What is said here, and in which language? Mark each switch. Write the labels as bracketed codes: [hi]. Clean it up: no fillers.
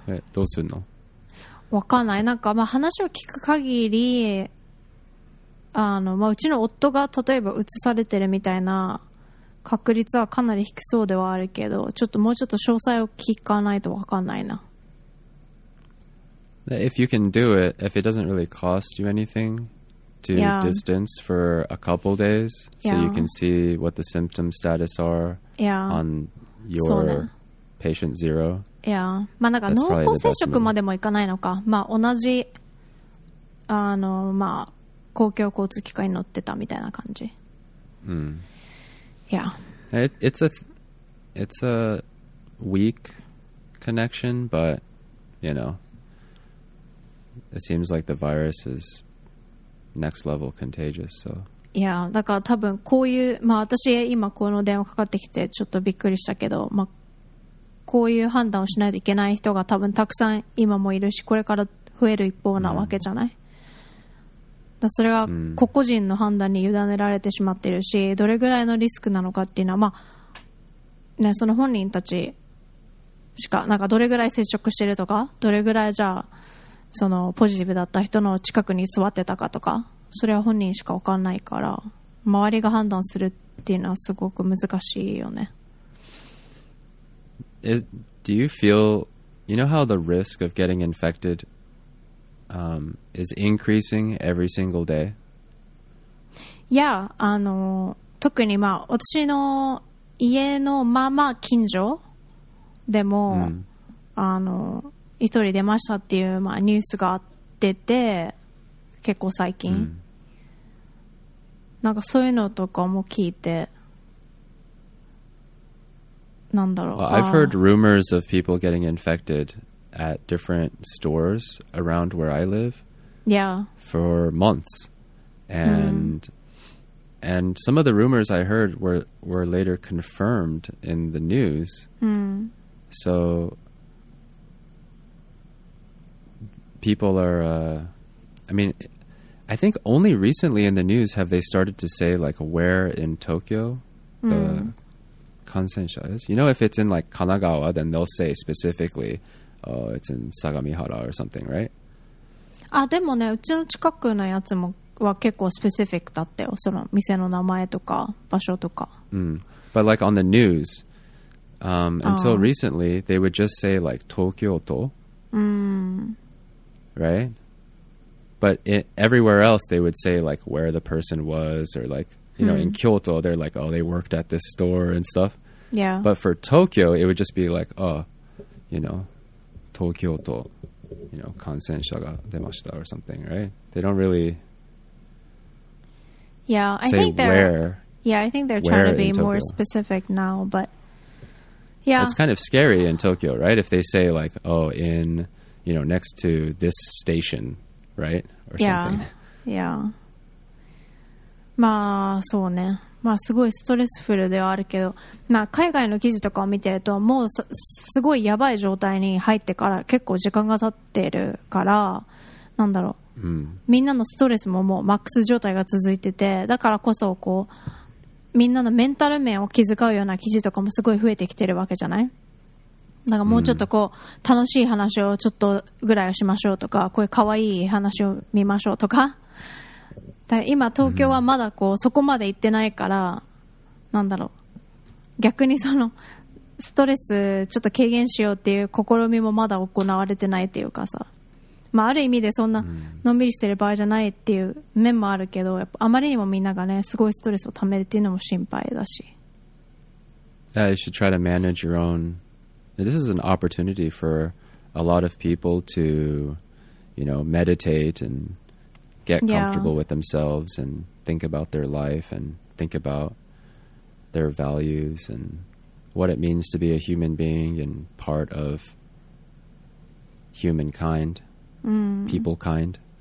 [ja] え、どうするの？分かんない。なんか、まあ話を聞く限り、まあ、うちの夫が例えば移されてるみたいな確率はかなり低そうではあるけど、ちょっともうちょっと詳細を聞かないと分かんないな。 [en] If you can do it, if it doesn't really cost you anything to distance for a couple days, so you can see what the symptom status are on your patient zero. Yeah. [ja] まあ、なんか濃厚接触までもいかないのか。まあ、同じ、まあ、公共交通機関に乗ってたみたいな感じ。うん。 [en] Yeah. It's a weak connection, but you know, it seems like the virus is next level contagious. So. Yeah. [ja] だから多分こういう、まあ私今この電話かかってきてちょっとびっくりしたけど、まあこういう判断をしないといけない人が多分たくさん今もいるし、これから増える一方なわけじゃない。それが個々人の判断に委ねられてしまっているし、どれぐらいのリスクなのかっていうのは、まあね、その本人たちしか、なんかどれぐらい接触してるとか、どれぐらいじゃあそのポジティブだった人の近くに座ってたかとか、それは本人しか分かんないから、周りが判断するっていうのはすごく難しいよね。 [en] Do you feel, you know how the risk of getting infected is increasing every single day? Yeah, [ja] 特にまあ私の家のまあまあ近所でも、一人出ましたっていう、まあ、ニュースが出て結構最近、なんかそういうのとかも聞いて、なんだろう、 [en] well, I've heard rumors of people getting infected at different stores around where I live for months, and some of the rumors I heard were later confirmed in the news. So people are, I mean, I think only recently in the news have they started to say like where in Tokyo the concentration is. You know, if it's in like Kanagawa, then they'll say specifically, oh, it's in Sagamihara or something, right? [ja] あ、でもね、うちの近くのやつもは結構スペシフィックだったよ。その店の名前とか場所とか。うん。 [en] But like on the news, until recently, they would just say like Tokyo to. Right? But it, everywhere else, they would say like where the person was, or like, you know, in Kyoto, they're like, oh, they worked at this store and stuff. Yeah. But for Tokyo, it would just be like, oh, you know, Tokyo to, you know, [ja] 感染者が出ました [en] or something, right? They don't really say where. Yeah, I think they're trying to be more specific now, but yeah. It's kind of scary in Tokyo, right? If they say like, oh, in, you know, next to this station, right? Or something. Yeah, yeah. [ja] まあ、そうね。まあ、すごいストレスフルではあるけど、まあ、海外の記事とかを見てるともうすごいやばい状態に入ってから結構時間が経ってるから、なんだろう、みんなのストレスももうマックス状態が続いてて、だからこそこうみんなのメンタル面を気遣うような記事とかもすごい増えてきてるわけじゃない。だからもうちょっとこう楽しい話をちょっとぐらいしましょうとか、こういうかわいい話を見ましょうとか、今東京はまだこうそこまで行ってないから、なんだろう、逆にそのストレスちょっと軽減しようっていう試みもまだ行われてないっていうかさ、まあある意味でそんなのんびりしてる場合じゃないっていう面もあるけど、やっぱあまりにもみんながねすごいストレスをためるっていうのも心配だし、 [en] You should try to manage your own. This is an opportunity for a lot of people to, you know, meditate and get comfortable with themselves and think about their life and think about their values and what it means to be a human being and part of humankind, people kind.